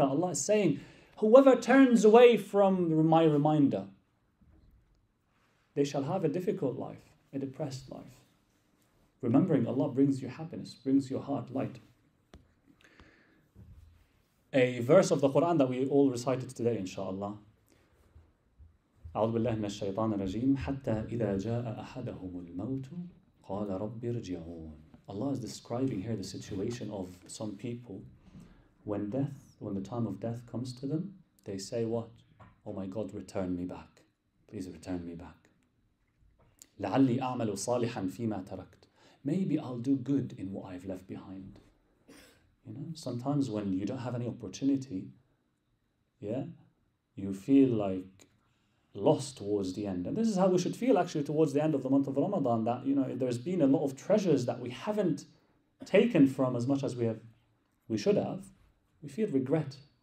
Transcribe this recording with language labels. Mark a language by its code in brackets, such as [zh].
[en] Allah is saying, whoever turns away from my reminder, they shall have a difficult life, a depressed life. Remembering Allah brings you happiness, brings your heart light. A verse of the Quran that we all recited today, inshallah. [ar] أعوذ بالله من الشيطان الرجيم حتى إذا جاء أحدهم الموت قال ربي ارجعون. [en] Allah is describing here the situation of some people when death, when the time of death comes to them, they say what? Oh my God, return me back. Please return me back. [ar] لعلي أعمل صالحا فيما تركت. [en] Maybe I'll do good in what I've left behind. You know, sometimes when you don't have any opportunity, yeah, you feel like lost towards the end. And this is how we should feel actually towards the end of the month of Ramadan, that, you know, there's been a lot of treasures that we haven't taken from as much as we should have. We feel regret.